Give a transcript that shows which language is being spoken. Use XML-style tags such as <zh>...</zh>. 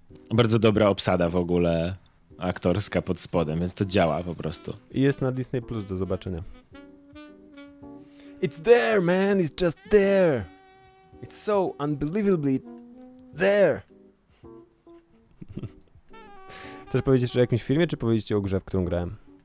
<pl>bardzo dobra obsada w ogóle aktorska pod spodem, więc to działa po prostu. I jest na Disney Plus, do zobaczenia.</pl> <en>It's there, man, it's just there. It's so unbelievably there.</en> <pl>Chcesz powiedzieć o jakimś filmie, czy powiedzieć o grze, w którą grałem?</pl>